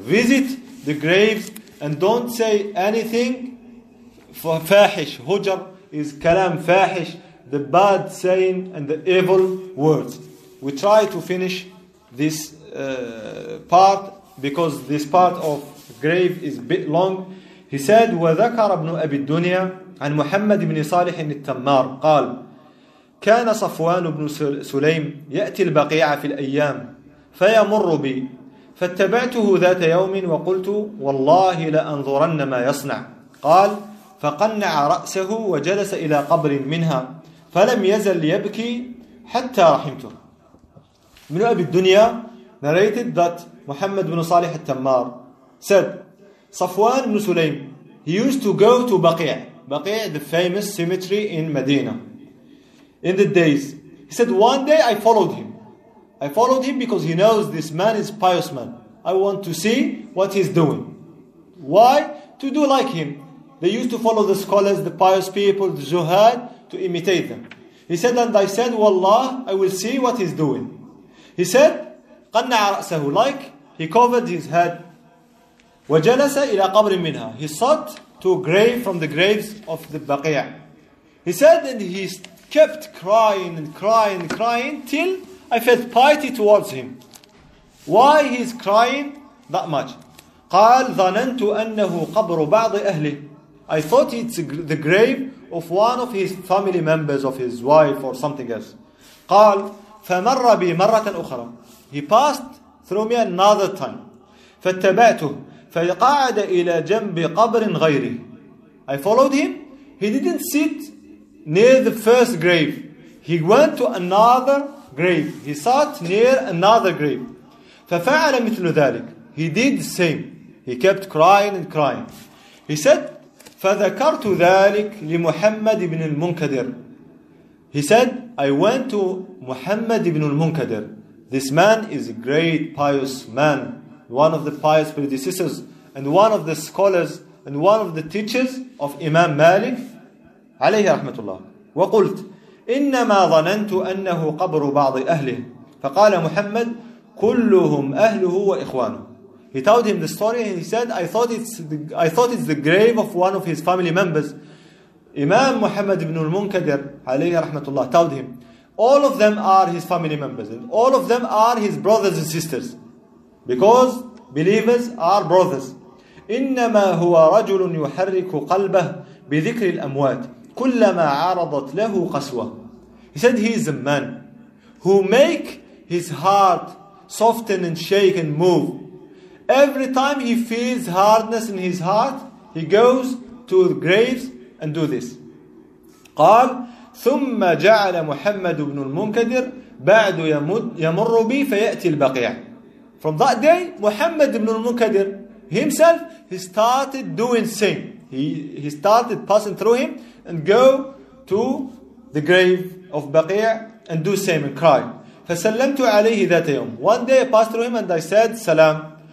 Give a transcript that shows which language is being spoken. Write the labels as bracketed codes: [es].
[en] Visit the graves and don't say anything فاحش. هجر is [ar] كلام فاحش, [en] the bad saying and the evil words. We try to finish this part because this part of grave is a bit long. He said, [ar] وَذَكَرَ ابْنُ أَبِي الدُّنْيَا عَنْ مُحَمَّدِ بْنِ صَالِحٍ التَّمَّارِ قَالْ كان صفوان بن سليم يأتي البقيع في الأيام فيمر بي فاتبعته ذات يوم وقلت والله لأنظرن ما يصنع. قال فقنع رأسه وجلس إلى قبر منها فلم يزل يبكي حتى رحمته. [en] من أبي الدنيا narrated that محمد بن صالح التمار said صفوان بن سليم, he used to go to بقيع. بقيع, the famous cemetery in Medina. In the days, he said, one day I followed him. I followed him because he knows this man is a pious man. I want to see what he's doing. Why? To do like him. They used to follow the scholars, the pious people, the zuhad, to imitate them. He said, and I said, wallah, I will see what he's doing. He said, [ar] قَنَّعَ رَأْسَهُ, [en] like, he covered his head. [ar] وَجَلَسَ إِلَىٰ قَبْرٍ مِنْهَا, [en] he sought to a grave from the graves of the Baqiyah. He said, and he kept crying and crying and crying till I felt piety towards him. Why he's crying that much? [ar] قال ظننت أنه قبر بعض أهله. [en] I thought it's the grave of one of his family members, of his wife or something else. [ar] قال فمر بي مرة أخرى. [en] He passed through me another time. [ar] فاتبعته فقعد إلى جنب قبر غيره. [en] I followed him. He didn't sit near the first grave. He went to another grave. He sat near another grave. [ar] فَفَعَلَ مِثْلُ ذَلِكَ. [en] He did the same. He kept crying and crying. He said, [ar] فَذَكَرْتُ ذَلِكَ لِمُحَمَّدِ بْنِ الْمُنْكَدِرِ. [en] He said, I went to Muhammad ibn al-Munkadir. This man is a great pious man, one of the pious predecessors, and one of the scholars, and one of the teachers of Imam Malik [ar] عليه رحمة الله. وقلت إنما ظننت أنه قبر بعض أهله. فقال محمد كلهم أهله وإخوانه. [en] He told him the story and he said, I thought it's the grave of one of his family members. Imam Muhammad ibn al-Munkadir [ar] عليه رحمة الله [en] told him all of them are his family members and all of them are his brothers and sisters, because believers are brothers. [ar] إنما هو رجل يحرك قلبه بذكر الأموات كلما عرضت له قسوة. [en] He said he is a man who make his heart soften and shake and move. Every time he feels hardness in his heart, he goes to the graves and do this. [ar] قال ثم جعل محمد بن المنكدر بعد يمر بي فيأتي البقيع. [en] From that day, Muhammad ibn al-Munkadir himself, he started doing same. He started passing through him and go to the grave of Baqi' and do same and cry. [ar] فَسَلَّمْتُ عَلَيْهِ ذَاتَ يَوْمٍ. [en] One day I passed through him and I said, Salam.